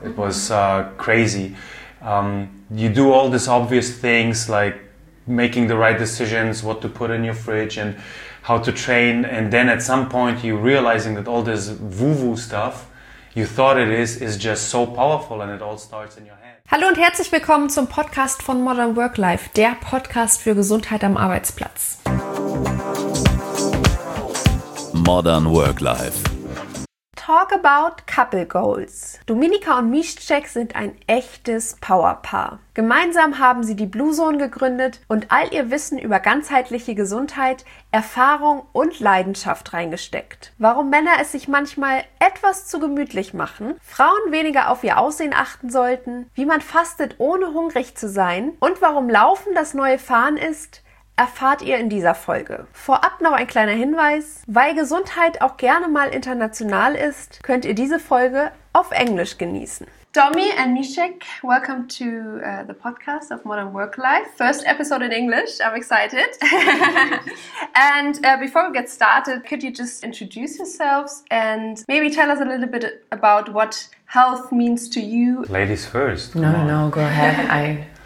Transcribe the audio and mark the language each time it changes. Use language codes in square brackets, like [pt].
[en] It was crazy. You do all these obvious things like making the right decisions, what to put in your fridge, and how to train, and then at some point you're realizing that all this woo-woo stuff you thought it is just so powerful, and it all starts in your head. [de] Hallo und herzlich willkommen zum Podcast von Modern Work Life, der Podcast für Gesundheit am Arbeitsplatz. [en] Modern Work Life. Talk about Couple Goals. [de] Dominika und Miszczek sind ein echtes Powerpaar. Gemeinsam haben sie die Blue Zone gegründet und all ihr Wissen über ganzheitliche Gesundheit, Erfahrung und Leidenschaft reingesteckt. Warum Männer es sich manchmal etwas zu gemütlich machen, Frauen weniger auf ihr Aussehen achten sollten, wie man fastet, ohne hungrig zu sein und warum Laufen das neue Fahren ist, erfahrt ihr in dieser Folge. Vorab noch ein kleiner Hinweis: Weil Gesundheit auch gerne mal international ist, könnt ihr diese Folge auf Englisch genießen. [en] Domi and Miszczek, welcome to the podcast of Modern Work Life. First episode in English, I'm excited. And before we get started, could you just introduce yourselves and maybe tell us a little bit about what health means to you? Ladies first. No, go ahead.